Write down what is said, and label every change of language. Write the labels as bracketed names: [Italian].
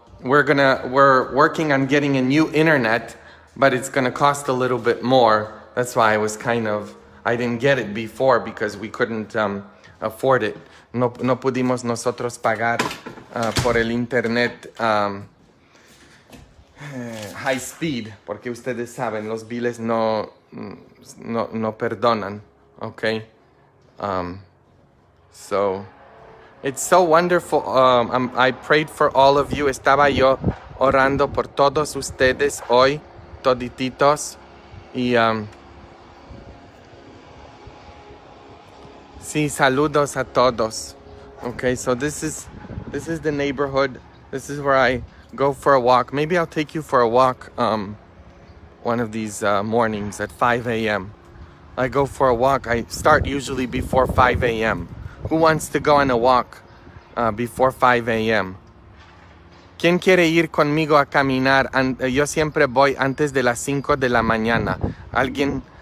[English] We're working on getting a new internet, but it's gonna cost a little bit more. That's why I was kind of, I didn't get it before because we couldn't afford it. [Spanish] No pudimos nosotros pagar por el internet [English] high speed, [Spanish] porque ustedes saben, los biles no perdonan, okay? [English] So it's so wonderful. I prayed for all of you. [Spanish] Estaba yo orando por todos ustedes hoy, todititos. Y sí, saludos a todos. [English] Okay, so this is the neighborhood. This is where I go for a walk. Maybe I'll take you for a walk one of these mornings at 5 a.m. I go for a walk. I start usually before 5 a.m. Who wants to go on a walk before 5 a.m.? [Spanish] ¿Quién quiere ir conmigo a caminar? Yo siempre voy antes de las 5 de la mañana. ¿Alguien?